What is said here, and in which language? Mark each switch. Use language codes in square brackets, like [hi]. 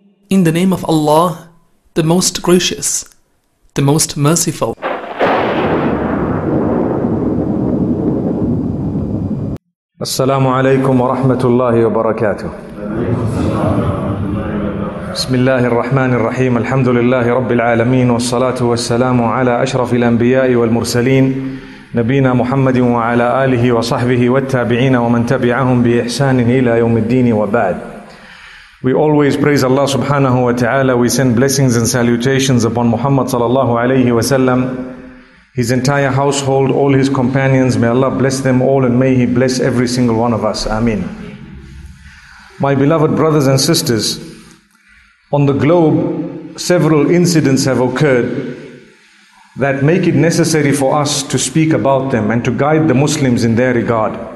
[en] In the name of Allah, the Most Gracious, the Most Merciful. [ar] السلام عليكم ورحمة الله وبركاته. بسم الله الرحمن الرحيم. الحمد لله رب العالمين والصلاة والسلام على أشرف الأنبياء والمرسلين. نبينا محمد وعلى آله وصحبه والتابعين ومن تبعهم بإحسان إلى يوم الدين وبعد. [en] We always praise Allah subhanahu wa ta'ala. We send blessings and salutations upon Muhammad sallallahu alayhi wa sallam, his entire household, all his companions. May Allah bless them all and may he bless every single one of us. Ameen. My beloved brothers and sisters, on the globe several incidents have occurred that make it necessary for us to speak about them and to guide the Muslims in their regard.